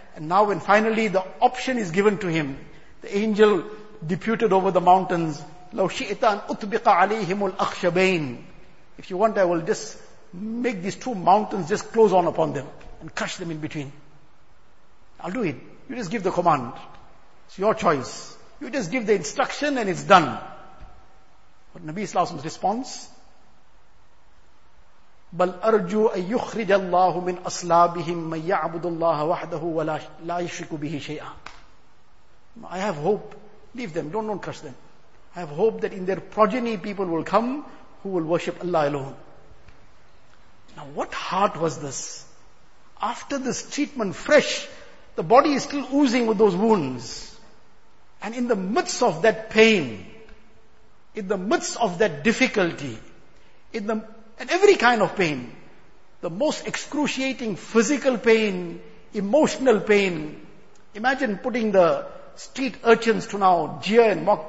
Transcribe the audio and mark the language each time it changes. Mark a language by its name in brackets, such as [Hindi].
[English] And now when finally the option is given to him, the angel deputed over the mountains, [Arabic] لَوْ شِئْتَ أَنْ أُطْبِقَ عَلَيْهِمُ الْأَخْشَبَيْنِ. [English] If you want, I will just make these two mountains just close on upon them and crush them in between. I'll do it. You just give the command. It's your choice. You just give the instruction and it's done. But Nabi sallallahu alaihi wasallam's response, [Arabic] بَلْ أَرْجُوْ أَنْ يُخْرِجَ اللَّهُ مِنْ أَصْلَابِهِمْ مَنْ يَعْبُدُ اللَّهَ وَحْدَهُ وَلَا يَشْرِكُ بِهِ شَيْئًا. [English] I have hope. Leave them. Don't crush them. I have hope that in their progeny people will come who will worship Allah alone. Now what heart was this? After this treatment fresh, the body is still oozing with those wounds. And in the midst of that pain, in the midst of that difficulty, in every kind of pain, the most excruciating physical pain, emotional pain, imagine putting the street urchins to now jeer and mock.